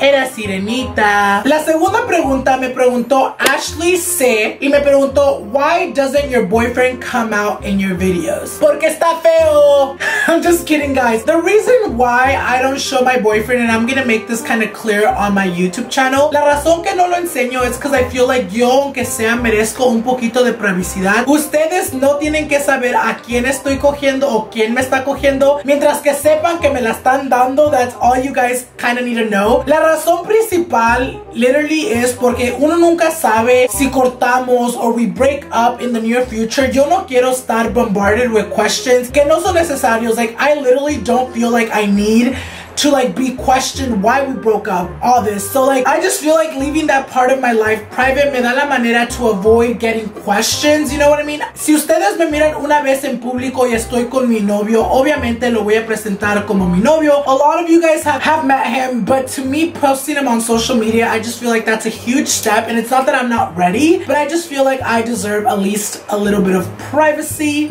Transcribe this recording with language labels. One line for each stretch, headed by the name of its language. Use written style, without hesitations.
Spanish: Era sirenita. La segunda pregunta me preguntó Ashley C. Y me preguntó,
English: why doesn't your boyfriend come out in your videos?
Spanish: Porque está feo.
English: I'm just kidding, guys. The reason why I don't show my boyfriend, and I'm gonna make this kind of clear on my YouTube channel.
Spanish: La razón que no lo enseño es
English: because I feel like
Spanish: yo, aunque sea, merezco un poquito de privacidad. Ustedes no tienen que saber a quién estoy cogiendo o quién me está cogiendo. Mientras que sepan que me la están dando,
English: that's all you guys kind of need to know.
Spanish: La razón principal literally es porque uno nunca sabe si cortamos
English: or we break up in the near future.
Spanish: Yo no quiero estar
English: bombarded with questions
Spanish: que no son necesarios.
English: Like, I literally don't feel like I need to like be questioned why we broke up, all this. So like, I just feel like leaving that part of my life private
Spanish: me da la manera
English: to avoid getting questions, you know what I mean?
Spanish: Si ustedes me miran una vez en público y estoy con mi novio, obviamente lo voy a presentar como mi novio.
English: A lot of you guys have met him, but to me, posting him on social media, I just feel like that's a huge step, and it's not that I'm not ready, but I just feel like I deserve at least a little bit of privacy.